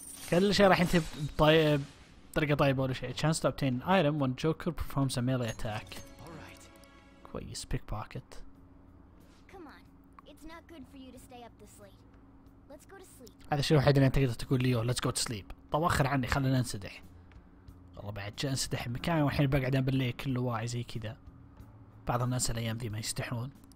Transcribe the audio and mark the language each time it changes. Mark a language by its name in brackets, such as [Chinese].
[Arabic] كل شيء راح ينتهي بطيب طريقة طيبة ولا شيء. [English] Chance to obtain an item when Joker performs a melee attack. كويس pick pocket. Come on, it's not good for you to stay up this late. Let's go to sleep. [Arabic] هذا الشيء الوحيد اللي أنت تقدر تقول ليه [English] let's go to sleep. [Arabic] طب أخر عني خلنا ننسدح. والله بعد جاء انسدح مكاني والحين بقعد بالليل كله واعي زي كذا. بعض الناس الأيام ذي ما يستحون.